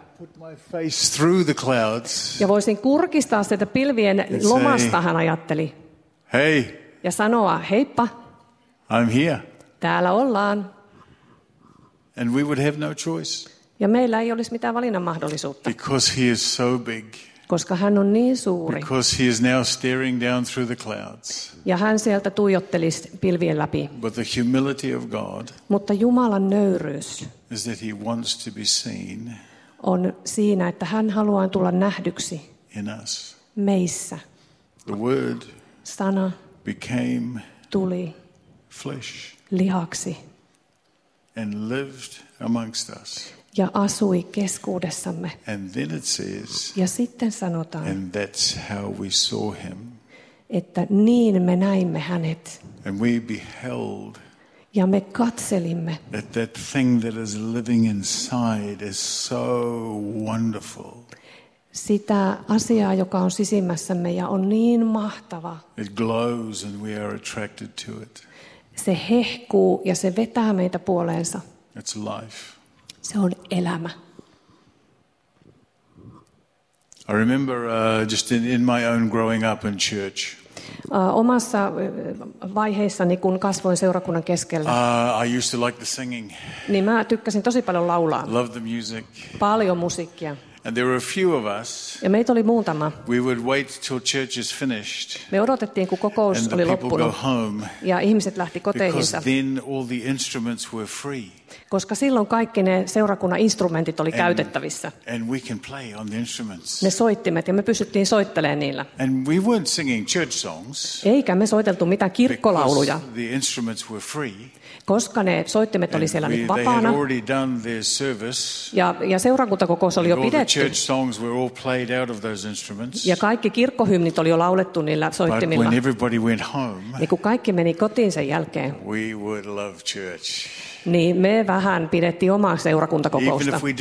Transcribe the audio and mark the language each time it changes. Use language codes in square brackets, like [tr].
[en] Put my face through the clouds. [fi] Ja voisin kurkistaa sieltä pilvien lomasta, hän ajatteli. [en] Hey. [fi] Ja sanoa, heippa. [en] I'm here. [fi] Täällä ollaan. [en] And we would have no choice. [fi] Ja meillä ei olisi mitään valinnan mahdollisuutta. [en] Because he is so big. [fi] Koska hän on niin suuri. [en] Because he is now staring down through the clouds. [fi] Ja hän sieltä tuijottelisi pilvien läpi. [en] But the humility of God. [fi] Mutta Jumalan nöyryys. [en] Is that he wants to be seen. [fi] On siinä, että hän haluaa tulla nähdyksi meissä. [en] The word [fi] sana [en] became [fi] tuli [en] flesh [fi] lihaksi [en] and lived amongst us. [fi] Ja asui keskuudessamme. [en] And then it says, [fi] ja sitten sanotaan, [en] and that's how we saw him. [fi] Että niin me näimme hänet. [en] And we beheld. [fi] Ja me katselimme. [en] That, that thing that is living inside is so wonderful. [fi] Sitä asiaa, joka on sisimmässämme ja on niin mahtava. [en] It glows and we are attracted to it. [fi] Se hehkuu ja se vetää meitä puoleensa. [en] It's life. [fi] Se on elämä. [en] I remember just in my own growing up in church. [fi] Omassa vaiheessani, kun kasvoin seurakunnan keskellä, [en] I used to like the singing. [fi] Niin mä tykkäsin tosi paljon laulaa. [en] Loved the music. [fi] Paljon musiikkia. [en] And there were a few of us. [fi] Ja meitä oli muutama. [en] We would wait till church is finished. [fi] Me odotettiin, kun kokous [en] and [fi] oli loppunut. [en] Go home, [fi] ja ihmiset lähti koteihinsa. [en] Because then all the instruments were free. [fi] Koska silloin kaikki ne seurakunnan instrumentit oli käytettävissä. [en] And we can play on the instruments. [fi] Ne soittimet ja me pystyttiin soittelemaan niillä. [en] And we weren't singing church songs. [fi] Eikä me soiteltu mitään kirkkolauluja. [en] Because the instruments were free. [fi] Koska ne soittimet oli siellä niin vapaana. [en] They had already done their service. [fi] Ja seurakuntakokous oli jo pidetty. [en] All the church songs were all played out of those instruments. [fi] Ja kaikki kirkkohymnit oli jo laulettu niillä soittimilla. [en] But when everybody went home. [fi] Niin kun kaikki meni kotiin sen jälkeen. [en] We would love church. [fi] Niin me vähän pidettiin omaa seurakuntakokousta.